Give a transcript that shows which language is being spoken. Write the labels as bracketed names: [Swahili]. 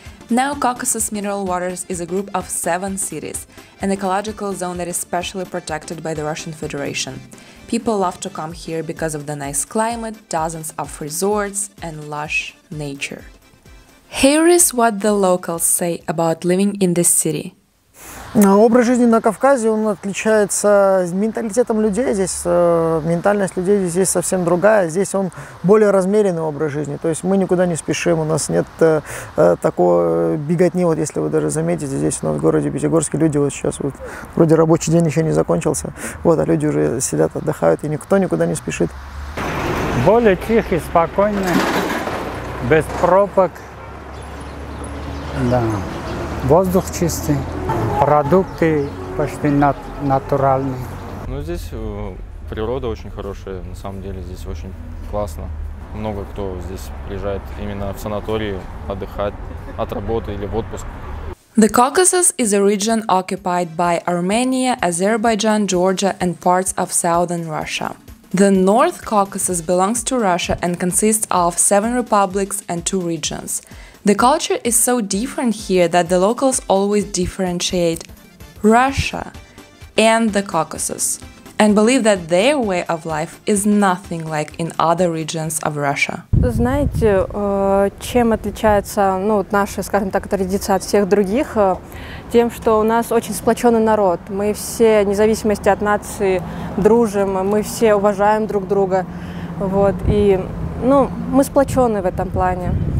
[English] Now Caucasus Mineral Waters is a group of seven cities, an ecological zone that is specially protected by the Russian Federation. People love to come here because of the nice climate, dozens of resorts, and lush nature. Here is what the locals say about living in this city. [Russian] Образ жизни на Кавказе, он отличается менталитетом людей здесь. Ментальность людей здесь совсем другая. Здесь он более размеренный образ жизни. То есть мы никуда не спешим, у нас нет такой беготни. Вот если вы даже заметите, здесь у нас в городе Пятигорске люди вот сейчас вот, вроде рабочий день еще не закончился, вот, а люди уже сидят, отдыхают, и никто никуда не спешит. Более тихий, спокойный, без пробок. Да. Воздух чистый. Продукты почти натуральные. Ну, здесь природа очень хорошая, на самом деле здесь очень классно. Много кто здесь приезжает именно в санатории отдыхать от работы или в отпуск. [English] The Caucasus is a region occupied by Armenia, Azerbaijan, Georgia and parts of southern Russia. The North Caucasus belongs to Russia and consists of seven republics and two regions. The culture is so different here that the locals always differentiate Russia and the Caucasus and believe that their way of life is nothing like in other regions of Russia. [Russian] Знаете, чем отличается, ну, наша, скажем так, традиция от всех других? Тем, что у нас очень сплоченный народ. Мы все, вне зависимости от нации, дружим, мы все уважаем друг друга. Вот, и, ну, мы сплочены в этом плане.